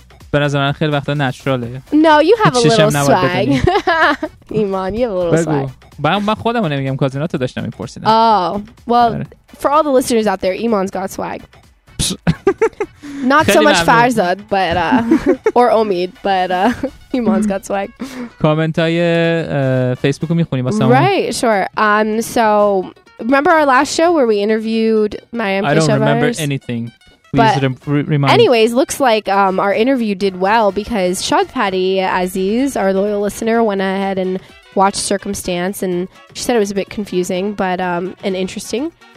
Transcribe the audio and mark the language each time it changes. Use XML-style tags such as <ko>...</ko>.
<fa>به نظر من خیلی وقتا نچراله.</fa> <en>No, you have a little swag. Iman, you have a little</en> <fa>بگو.</fa> <en>Swag.</en> <fa>من خودم رو نمیگم، کازینات رو داشتم میپرسیدم.</fa> <en>Oh, well, for all the listeners out there, Iman's got swag. Not so much Farzad, but or Omid, but Iman's got swag.</en> <fa>کامنت های فیسبوک رو میخونیم واسه همون.</fa> <en>Right, sure. So, remember our last show where we interviewed Mariam Keshavars? I don't remember anything. Anyways, looks like our interview did well because Shadpati Aziz, our loyal listener, went ahead and watched Circumstance, and she said it was a bit confusing but and interesting.</en>